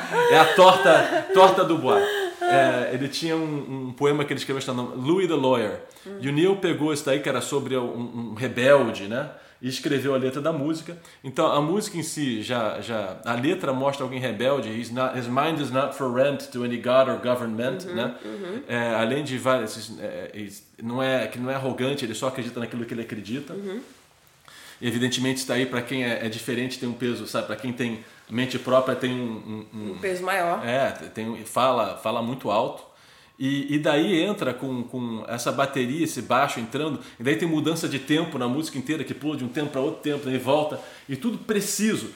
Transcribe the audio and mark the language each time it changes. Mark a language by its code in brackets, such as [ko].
[pt] É a torta do Bois. Ele tinha um poema que ele escreveu chamado Louis the Lawyer. E o Neil pegou isso daí, que era sobre um rebelde, né? E escreveu a letra da música. Então, a música em si, já a letra mostra alguém rebelde. [en] His mind is not for rent to any god or government, uhum, [pt] né? Uhum. Além de várias... Não é arrogante, ele só acredita naquilo que ele acredita. Uhum. E, evidentemente, isso daí, para quem é diferente, tem um peso, sabe? Para quem tem... Mente Própria tem um peso maior. É, tem, fala muito alto. E daí entra com essa bateria, esse baixo entrando, e daí tem mudança de tempo na música inteira, que pula de um tempo para outro tempo, daí volta, e tudo preciso.